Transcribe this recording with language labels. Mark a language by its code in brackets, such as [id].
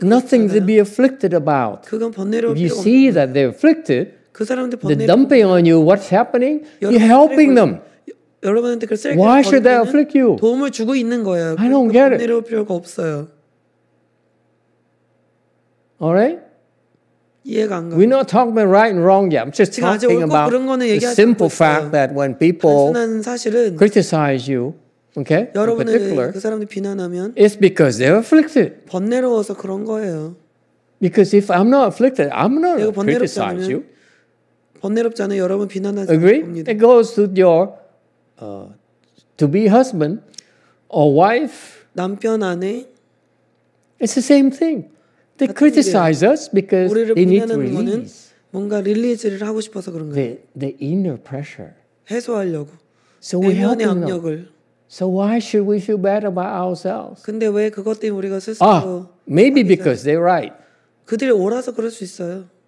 [en] Nothing to be afflicted about. [ko] 그건 번뇌로운 [en] If you see that they're afflicted, [ko] 그 사람들 [en] they're dumping on you. What's happening? You're helping them. [ko] 여러분한테 그 쓰레기 [en] Why should they afflict you? [ko] 도움을 주고 있는 거예요. [en] I don't get it. [ko] 번뇌로울 필요가 없어요. [en] All right? [ko] 이해가 안 가. [en] We're not talking about right and wrong yet. I'm just talking about the simple fact that when people criticize you, okay? In particular, [ko] 그 사람들 비난하면 [en] it's because they're afflicted. [ko] 번뇌로워서 그런 거예요. [en] Because if I'm not afflicted, I'm not criticize you. [ko] 번뇌롭지 않아요. 여러분 비난하지 않습니다. [en] It goes to your to be husband or wife. [ko] 남편 아내. It's the same thing. [en] They criticize us because they need to release. [ko] 뭔가 릴리즈를 하고 싶어서 그런 거예요. [en] The inner pressure. [ko] 해소하려고. [en] So we help them. [ko] 내면의 압력을. [en] So why should we feel bad about ourselves? [ko] 근데 왜 그것 때문에 우리가 스스로 [en] Maybe because they're right. [ko] 그들이 옳아서 그럴 수 있어요.